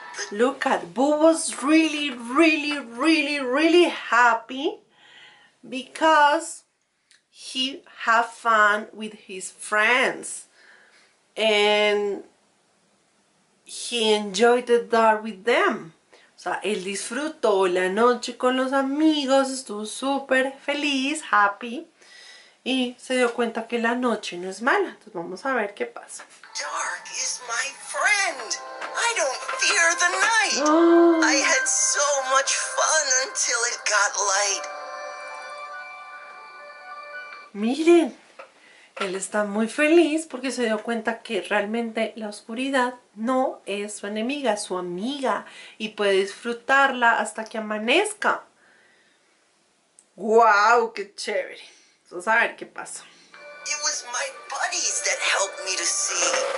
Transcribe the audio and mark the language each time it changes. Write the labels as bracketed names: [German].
[English] Look at Boo was really, really, really, really happy. Because he have fun with his friends and he enjoyed the dark with them. [Spanish] O sea, él disfrutó la noche con los amigos, estuvo súper feliz, happy, y se dio cuenta que la noche no es mala. Entonces vamos a ver qué pasa. [English] Dark is my friend. I don't fear the night. Oh. I had so much fun until it got light. [Spanish] Miren, él está muy feliz porque se dio cuenta que realmente la oscuridad no es su enemiga, es su amiga y puede disfrutarla hasta que amanezca. ¡Wow! ¡Qué chévere! Vamos a ver qué pasa. [English] It was my buddies that helped me to see.